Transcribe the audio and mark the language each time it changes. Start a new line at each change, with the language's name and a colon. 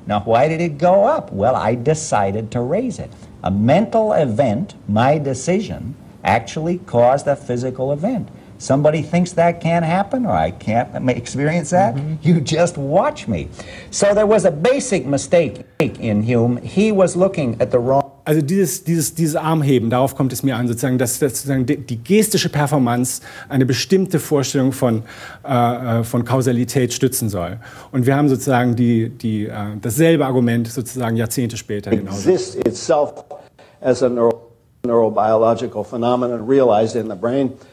English: Now, why did it go up? Well, I decided to raise it. A mental event, my decision, actually caused a physical event. Somebody thinks that can't happen, or I can't experience that? Mm-hmm. You just watch me. So there was a basic mistake in Hume. He was looking at the wrong...
German: Also dieses Armheben, darauf kommt es mir an, sozusagen, dass sozusagen die gestische Performance eine bestimmte Vorstellung von Kausalität stützen soll. Und wir haben sozusagen dasselbe Argument sozusagen Jahrzehnte später genauso.
English: Exists itself as a neurobiological phenomenon realized in the brain.